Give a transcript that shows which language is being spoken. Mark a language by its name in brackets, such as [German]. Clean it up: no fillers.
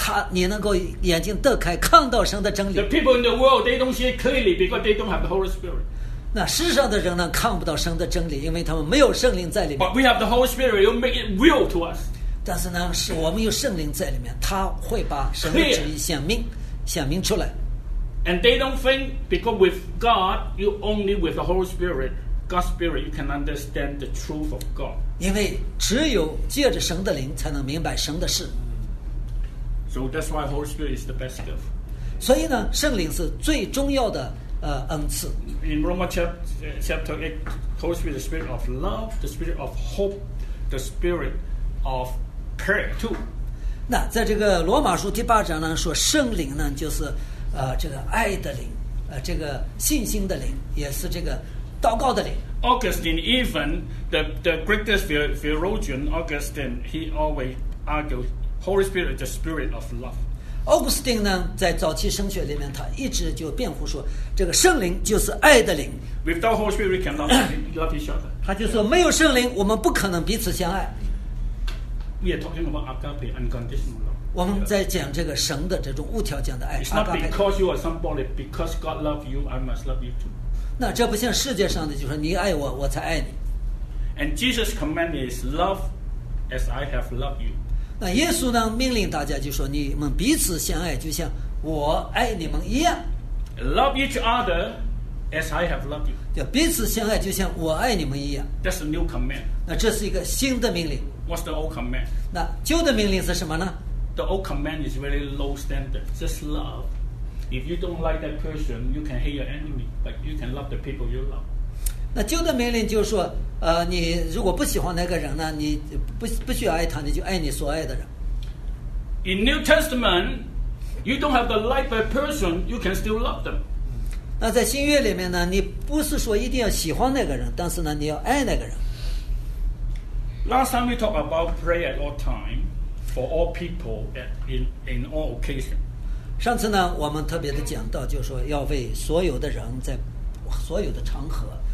[Chinese] 你能够眼睛得开，看到神的真理。 [English] The people in the world they don't see it clearly because they don't have the Holy Spirit. [Chinese] 那世上的人呢看不到神的真理，因为他们没有圣灵在里面。 [English] But we have the Holy Spirit. You make it real to us. [Chinese] 但是呢，是我们有圣灵在里面，他会把神的旨意显明出来。 [English] And they don't think because with God, you only with the Holy Spirit, God's Spirit, you can understand the truth of God. [Chinese] 因为只有借着神的灵才能明白神的事。 [English] So that's why Holy Spirit is the best gift. [Chinese] 所以呢，圣灵是最重要的恩赐。 [English] In Romans chapter 8, Holy Spirit, the Spirit of love, the Spirit of hope, the Spirit of prayer too. [Chinese] 那在这个罗马书第八章呢，说圣灵呢就是这个爱的灵，这个信心的灵，也是这个祷告的灵。 [English] Augustine, even the greatest theologian Augustine, he always argued Holy Spirit is the spirit of love. [Chinese] Augustine 呢，在早期神学里面，他一直就辩护说，这个圣灵就是爱的灵。 [English] Without Holy Spirit, we cannot love each other. [Chinese] 他就说，没有圣灵，我们不可能彼此相爱。 [English] We are talking about agape, unconditional love. [Chinese] 我们在讲这个神的这种无条件的爱。 [English] It's not because you are somebody, because God loves you, I must love you too. [Chinese] 那这不像世界上的，就是你爱我，我才爱你。 [English] And Jesus' command is love as I have loved you. [Chinese] 那耶稣呢，命令大家就说，你们彼此相爱，就像我爱你们一样。 [English] Love each other as I have loved you. [Chinese] 就彼此相爱，就像我爱你们一样。 [English] That's a new command. [Chinese] 那这是一个新的命令。 [English] What's the old command? [Chinese] 那旧的命令是什么呢？ [English] The old command is very low standard. Just love. If you don't like that person, you can hate your enemy, but you can love the people you love. [Chinese] 那旧的命令就是说，你如果不喜欢那个人呢，你不需要爱他，你就爱你所爱的人。 [English] In New Testament, you don't have to like that person, you can still love them. [Chinese] 那在新约里面呢，你不是说一定要喜欢那个人，但是呢，你要爱那个人。 [English] Last time we talked about prayer at all time for all people in all occasion. [Chinese] 上次呢，我们特别的讲到，就是说要为所有的人在所有的场合，